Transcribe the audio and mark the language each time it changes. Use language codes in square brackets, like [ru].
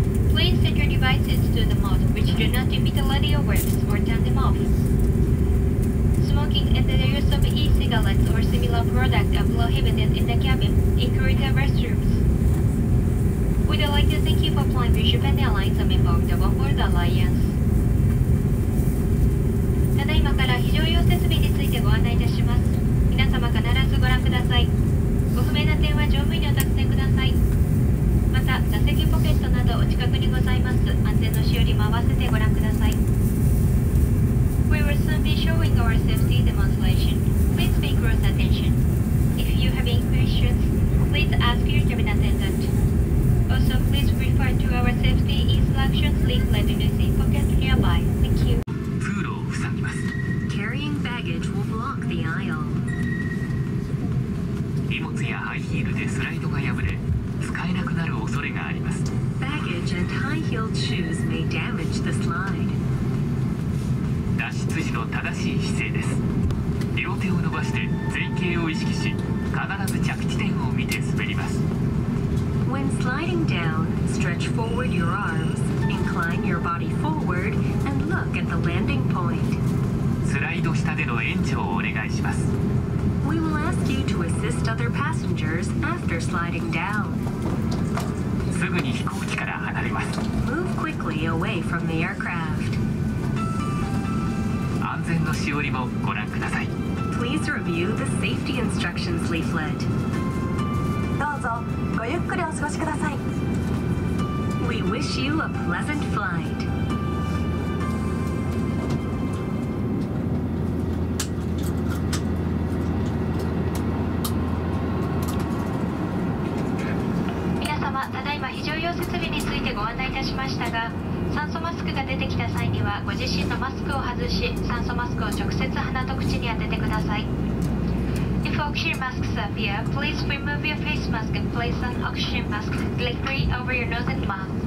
[en] Please set your devices to the mode which do not emit the radio waves or turn them off. Smoking and the use of e-cigarettes or similar products are prohibited in the cabin, including the restrooms. We'd like to thank you for flying with Japan Airlines and member of the Oneworld Alliance. [ja] ただいまから非常用設備についてご案内いたします。皆様必ずご覧ください。ご不明な点は乗務員にお尋ねください。また、座席ポケットなどお近くにございます。安全のしおりも合わせてご覧ください。 [en] We will soon be showing our safety demonstration. Please pay close attention. If you have any questions, please ask your cabin attendant. Also, please refer to our safety instructions leaflet in the seat pocket nearby. Thank you. Poodle, thank you. Carrying baggage will block the aisle. [ja] 荷物やハイヒールでスライドが破れ、使えなくなる恐れがあります。 [en] Baggage and high-heeled shoes may damage the slide. [ja] 脱出時の正しい姿勢です。両手を伸ばして前傾を意識し、必ず着地点を見て滑ります。 [en] When sliding down, stretch forward your arms, incline your body forward, and look at the landing point. [ja] スライド下での援助をお願いします。 [en] We will ask you to assist other passengers after sliding down. [ja] すぐに飛行機から離れます。 [en] Move quickly away from the aircraft. [ja] 安全のしおりもご覧ください。 [en] Please review the safety instructions leaflet. [ja] どうぞごゆっくりお過ごしください。 [en] We wish you a pleasant flight. [ja] みなさま、ただいま非常用設備についてご案内いたしましたが、酸素マスクが出てきた際にはご自身のマスクを外し、酸素マスクを直接鼻と口に当ててください。 [en] If oxygen masks appear, please remove your face mask and place an oxygen mask directly over your nose and mouth.